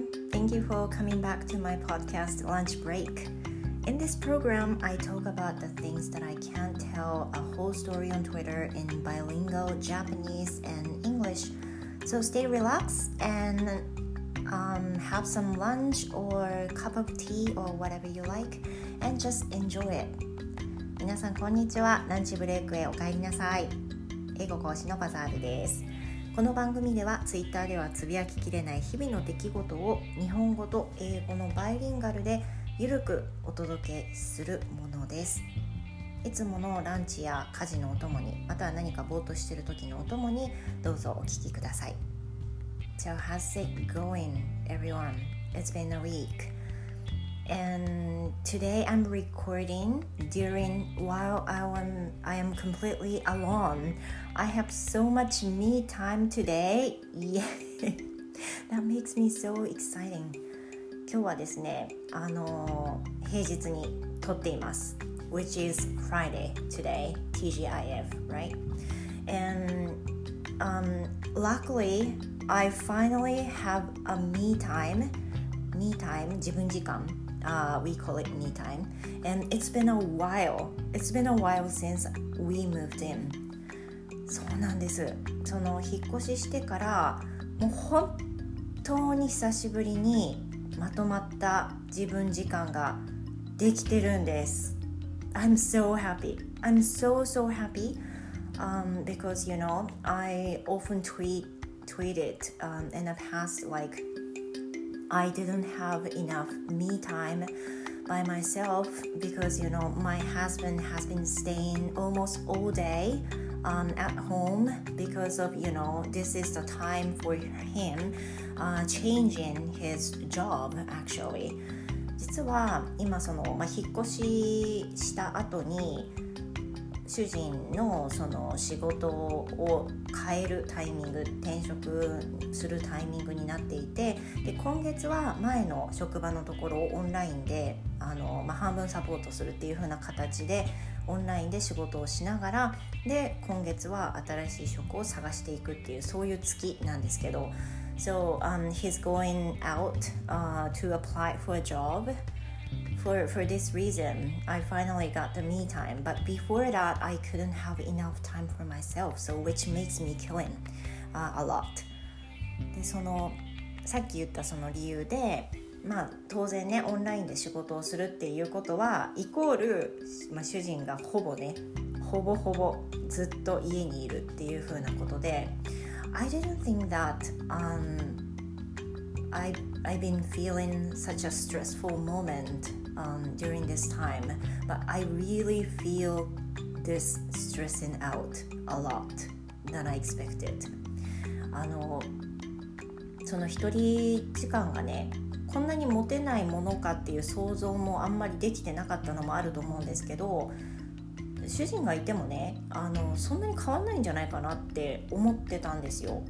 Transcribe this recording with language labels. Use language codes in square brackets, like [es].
[en] thank you for coming back to my podcast, Lunch Break. In this program, I talk about the things that I can't tell a whole story on Twitter in bilingual Japanese and English. So stay relaxed and have some lunch or cup of tea or whatever you like and just enjoy it. [ja] 皆さんこんにちは。ランチブレイクへお帰りなさい。英語講師のバザールです。この番組では、ツイッターではつぶやききれない日々の出来事を日本語と英語のバイリンガルでゆるくお届けするものです。いつものランチや家事のお供に、または何かぼーっとしている時のお供に、どうぞお聞きください。 [en] So how's it going, everyone? It's been a week. And today I'm recording during while I am completely alone. I have so much me time today. Yeah, that makes me so exciting. [ja] 今日はですね、平日に撮っています。 [en] Which is Friday today, TGIF, right? And luckily, I finally have a me time, [ja] 自分時間、 [en] we call it me time. And it's been a while since we moved in. [ja] そうなんです。その引っ越ししてから、もう本当に久しぶりにまとまった自分時間ができてるんです。 [en] I'm so happy. I'm so, so happy. Because, you know, I often tweeted in the past, like, I didn't have enough me time by myself because, you know, my husband has been staying almost all day at home because of, you know, this is the time for him. Changing his job, actually. [ja] 実は今その、まあ、引っ越しした後に主人のその仕事を変えるタイミング、転職するタイミングになっていて、で今月は前の職場のところをオンラインで半分サポートするっていう風な形でオンラインで仕事をしながら、で今月は新しい職を探していくっていうそういう月なんですけど。 [en] So he's going out to apply for a job for this reason. I finally got the me time, but before that, I couldn't have enough time for myself. So which makes me killing a lot. [ja] で、そのさっき言ったその理由で、まあ当然ね、オンラインで仕事をするっていうことはイコール、まあ、主人がほぼね、ほぼほぼずっと家にいるっていう風なことで。 [en] I didn't think that I've been feeling such a stressful moment during this time, but I really feel this stressing out a lot than I expected. [ja] その一人時間がね、こんなに持てないものかっていう想像もあんまりできてなかったのもあると思うんですけど、主人がいてもね、そんなに変わんないんじゃないかなって思ってたんですよ。